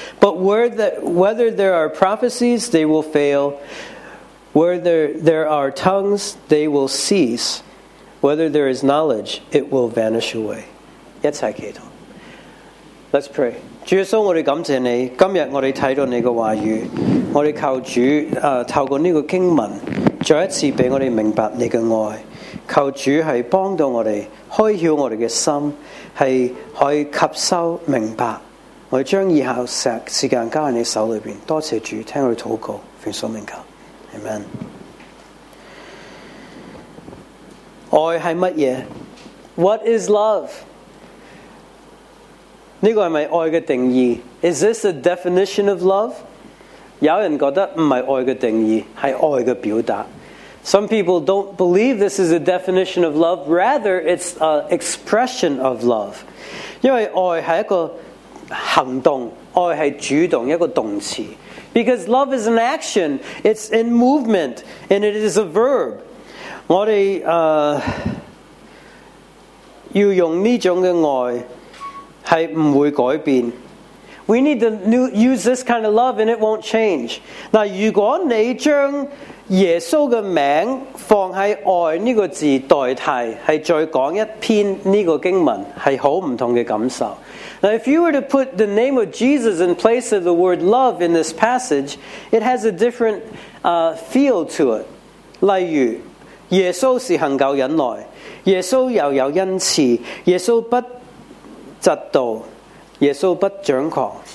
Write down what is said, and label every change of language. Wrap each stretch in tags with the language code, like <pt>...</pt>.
<en>But whether there are prophecies, they will fail. Whether there are tongues, they will cease. Whether there is knowledge, it will vanish away.</en> <zh>一起祈祷。</zh> <en>Let's pray.</en> <zh>主耶稣，我们感谢你，今天我们看到你的话语，我们求主透过这个经文，再一次给我们明白你的爱。求主是帮到我们，开窍我们的心，是可以吸收明白。我们将以下时间交在你手里面，多谢主，听我们祷告，奉所命求， Amen。爱是什么？</zh> <en>What is love?</en> <zh>这个是不是爱的定义？</zh> <en>Is this a definition of love?</en> <zh>有人觉得不是爱的定义，是爱的表达。</zh> <en>Some people don't believe this is a definition of love, rather it's an expression of love.</en> <zh>因为爱是一个行动，爱是主动，一个动词。</zh> <en>Because love is an action, it's in movement, and it is a verb.</en> <zh>我们要用这种的爱是不会改变。</zh> <en>We need to use this kind of love and it won't change.</en> <zh>那如果你将耶稣的名放在爱这个字代替，是再讲一篇这个经文，是很不同的感受。</zh> <en>Now if you were to put the name of Jesus in place of the word love in this passage, it has a different feel to it.</en> <zh>例如耶稣是恒久忍耐，耶稣又有恩慈，耶稣不嫉妒，耶稣不掌狂。</zh>